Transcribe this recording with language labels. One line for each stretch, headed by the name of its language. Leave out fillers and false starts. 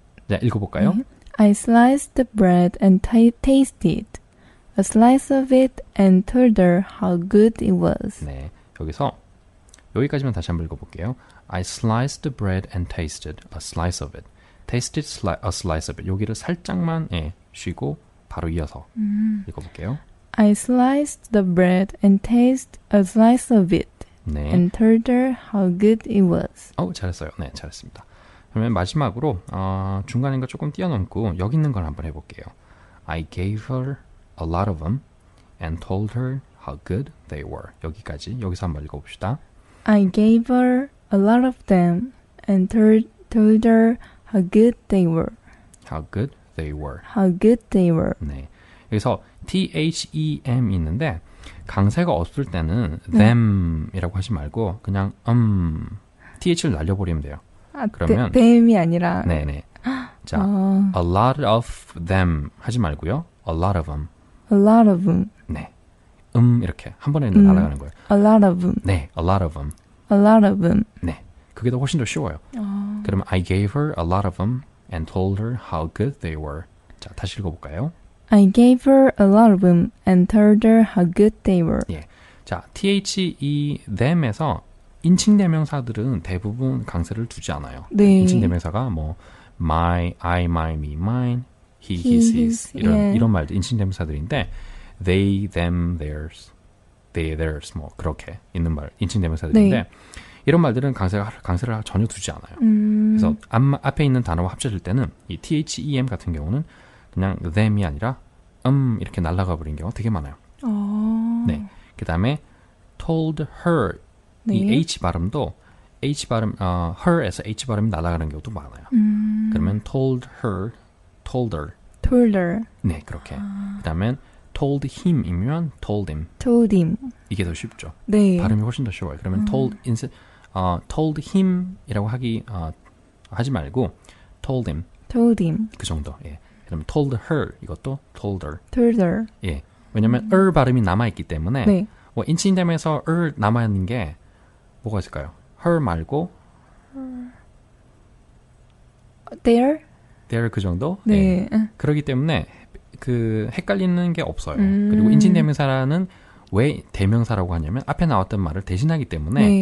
Korean: 네, 읽어볼까요?
English: I sliced the bread and tasted a slice of it and told her how good it was.
Korean: 네, 여기서 여기까지만 다시 한번 읽어볼게요.
English: I sliced the bread and tasted a slice of it. tasted a slice of it.
Korean: 여기를 살짝만 예, 쉬고 바로 이어서 읽어볼게요.
English: I sliced the bread and tasted a slice of it 네. and told her how good it was.
Korean: 오, 잘했어요. 네, 잘했습니다. 그러면 마지막으로 중간인 거 조금 뛰어넘고 여기 있는 걸 한번 해볼게요.
English: I gave her a lot of them and told her how good they were.
Korean: 여기까지 여기서 한번 읽어봅시다.
English: I gave her a lot of them and told her how good they were. How good they were. How good they were.
Korean: 네. 여기서 them 있는데 강세가 없을 때는 네. them이라고 하지 말고 그냥 th를 날려버리면 돼요. 아, 그러면 them이 아니라 네네. 자, a lot of them 하지 말고요.
English: A lot of them. A lot of them.
Korean: 네. 이렇게 한 번에 날아가는 거예요.
English: A lot of them. 네, a lot of them. A lot of them.
Korean: 네, 그게 더 훨씬 더 쉬워요. 그러면
English: I gave her a lot of them and told her how good they were.
Korean: 자, 다시 읽어볼까요?
English: I gave her a lot of them and told her how good they were.
Korean: 예, 자, the them에서 인칭 대명사들은 대부분 강세를 두지 않아요. 네. 인칭 대명사가 뭐 my, I, my, me, mine, he, his, his 이런 yeah. 이런 말들 인칭 대명사들인데. They, them, theirs, they, theirs, 뭐 그렇게 있는 말, 인칭 대명사들인데 네. 이런 말들은 강세를 전혀 두지 않아요. 그래서 앞에 있는 단어와 합쳐질 때는 이 them 같은 경우는 그냥 them이 아니라 이렇게 날아가 버린 경우가 되게 많아요. 오. 네, 그 다음에 told her, 네. 이 h 발음도 h 발음, her에서 h 발음이 날아가는 경우도 많아요.
English: 그러면 told her, told her. Told her.
Korean: 네, 그렇게. 아.
English: 그 다음에 told him이면 told him. Told him.
Korean: 이게 더 쉽죠. 네. 발음이 훨씬 더 쉬워요. 그러면 told instead, told him이라고 하기 하지 말고 told him.
English: Told him.
Korean: 그 정도. 예.
English: 그럼 told her 이것도 told her. Told her.
Korean: 예. 왜냐면 발음이 남아 있기 때문에 네. 뭐 인칭 대명사에서 남아 있는 게 뭐가 있을까요? her 말고
English: there.
Korean: there 그 정도? 네. 예. 그렇기 때문에 그 헷갈리는 게 없어요. 그리고 인칭 대명사라는 왜 대명사라고 하냐면 앞에 나왔던 말을 대신하기 때문에